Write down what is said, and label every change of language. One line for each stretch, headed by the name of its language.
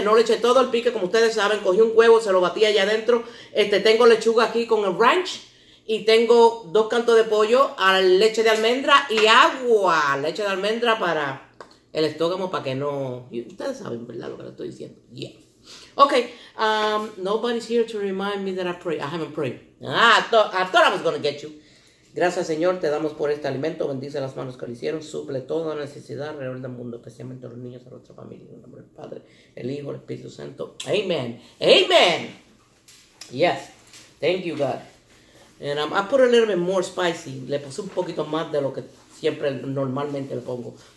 Spanish: No le eché todo el pique, como ustedes saben. Cogí un huevo, se lo batí allá adentro. Tengo lechuga aquí con el ranch. Y tengo dos cantos de pollo, leche de almendra y agua. Leche de almendra para el estómago, para que no... Ustedes saben, ¿verdad? Lo que les estoy diciendo.
English: Yeah. Ok. Nobody's here to remind me that I pray. I haven't prayed. I thought I was going to get you.
Spanish: Gracias, Señor, te damos por este alimento. Bendice las manos que lo hicieron. Suple toda necesidad alrededor del mundo, especialmente a los niños, a nuestra familia. En el nombre del Padre, el Hijo, el Espíritu Santo.
English: Amen. Amen. Yes. Thank you, God. And I put a little bit more spicy.
Spanish: Le puse un poquito más de lo que siempre normalmente le pongo.